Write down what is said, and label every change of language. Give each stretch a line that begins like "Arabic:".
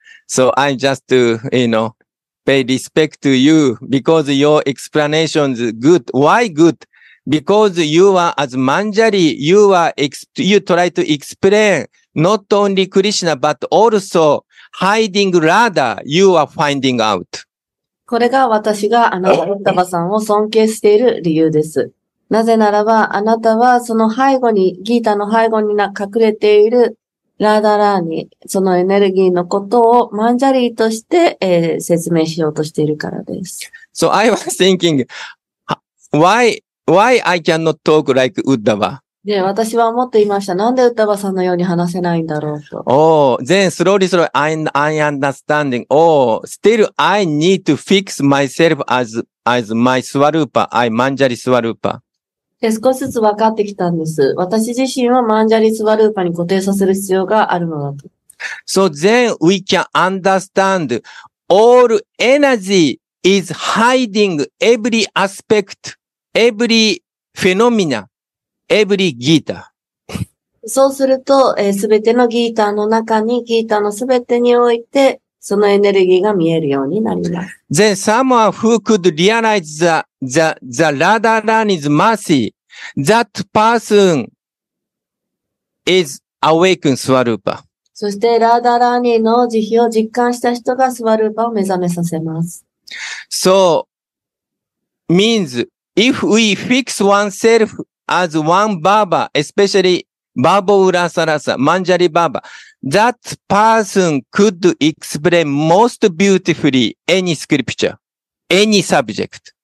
English: So I just, you know, pay respect to you because your explanation is good. Why good? Because you are as Manjari, you try to explain not only Krishna, but also hiding Radha, you are finding out.
Japanese: これが私があなたウッダバさんを尊敬している理由です。なぜならば、あなたはその背後に、ギータの背後に隠れているラーダラーニ、そのエネルギーのことをマンジャリとして、説明しようとしているからです。
English: So I was thinking, why I cannot talk like Uddhava?
Japanese: で、私は思っていました。なんでUddhavaさんのように話せないんだろうと。
English: Oh, then slowly I'm understanding. Oh, still I need to fix myself as my Swarupa, I Manjari Swarupa.
Japanese: で、少しずつ分かってきたんです。私自身はManjari Swarupaに固定させる必要があるのだと。
English: So then we can understand all energy is hiding every aspect. Every phenomena, every Gita.
Japanese: そうすると、すべてのギータの中に、ギータのすべてにおいて、そのエネルギーが見えるようになります。
English: Then someone who could realize the Radharani's mercy, that person is awakened Swarupa.
Japanese: そして、ラーダラーニの慈悲を実感した人がスワルーパを目覚めさせます。
English: So, means,If we fix oneself as one Baba, especially Babo Urasarasa, Manjari Baba, that person could explain most beautifully any scripture, any subject.